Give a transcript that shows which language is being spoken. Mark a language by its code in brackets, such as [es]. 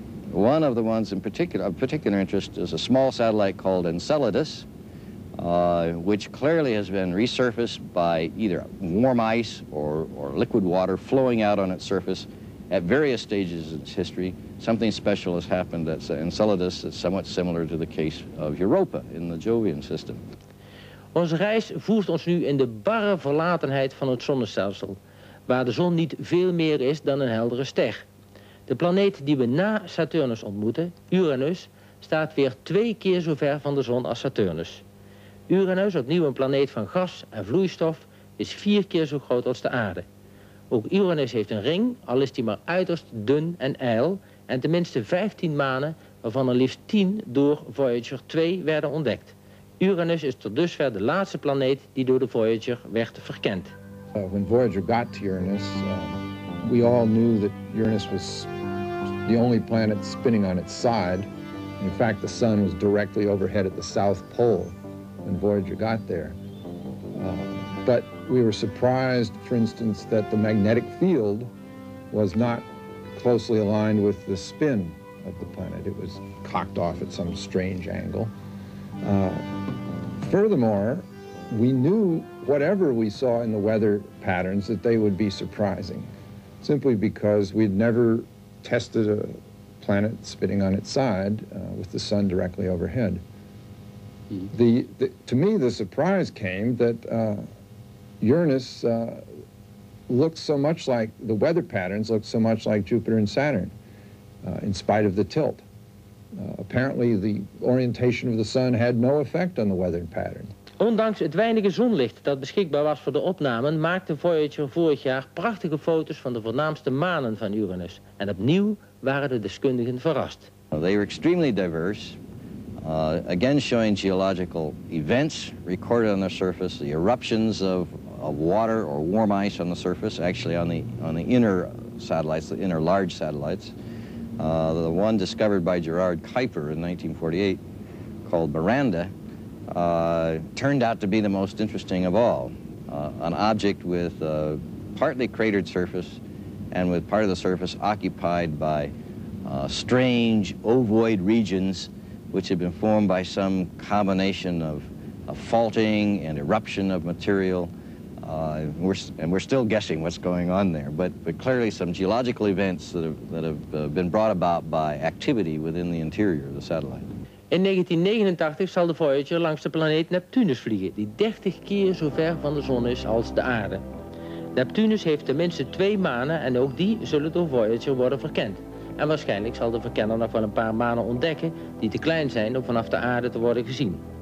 [en] One of the ones of particular interest is a small satellite called Enceladus, which clearly has been resurfaced by either warm ice or liquid water flowing out on its surface at various stages in its history. Something special has happened at Enceladus that's somewhat similar to the case of Europa in the Jovian system. [nl] Onze reis voert ons nu in de barre verlatenheid van het zonnestelsel, waar de zon niet veel meer is dan een heldere ster. De planeet die we na Saturnus ontmoeten, Uranus, staat weer twee keer zo ver van de zon als Saturnus. Uranus, opnieuw een planeet van gas en vloeistof, is vier keer zo groot als de aarde. Ook Uranus heeft een ring, al is die maar uiterst dun en ijl, en tenminste 15 manen, waarvan er liefst 10 door Voyager 2 werden ontdekt. Uranus is tot dusver de laatste planeet die door de Voyager werd verkend. [en] When Voyager got to Uranus, we all knew that Uranus was the only planet spinning on its side. In fact, the sun was directly overhead at the South Pole when Voyager got there. But we were surprised, for instance, that the magnetic field was not closely aligned with the spin of the planet. It was cocked off at some strange angle. Furthermore, we knew whatever we saw in the weather patterns that they would be surprising, simply because we'd never tested a planet spinning on its side with the sun directly overhead. To me, the surprise came that Uranus looks so much like, the weather patterns look so much like Jupiter and Saturn, in spite of the tilt. Apparently the orientation of the sun had no effect on the weather pattern. [nl] Ondanks het weinige zonlicht dat beschikbaar was voor de opnamen, maakte Voyager vorig jaar prachtige foto's van de voornaamste manen van Uranus. En opnieuw waren de deskundigen verrast. [en] They were extremely diverse, again showing geological events recorded on the surface, the eruptions of water or warm ice on the surface, actually on the inner satellites, the inner large satellites. The one discovered by Gerard Kuiper in 1948, called Miranda, turned out to be the most interesting of all. An object with a partly cratered surface and with part of the surface occupied by strange ovoid regions which had been formed by some combination of faulting and eruption of material. We're still guessing what's going on there, but clearly some geological events that have been brought about by activity within the interior of the satellite. [nl] In 1989 zal de Voyager langs de planeet Neptunus vliegen, die 30 keer zo ver van de zon is als de aarde. Neptunus heeft tenminste 2 manen en ook die zullen door Voyager worden verkend. En waarschijnlijk zal de verkenner nog wel een paar manen ontdekken die te klein zijn om vanaf de aarde te worden gezien.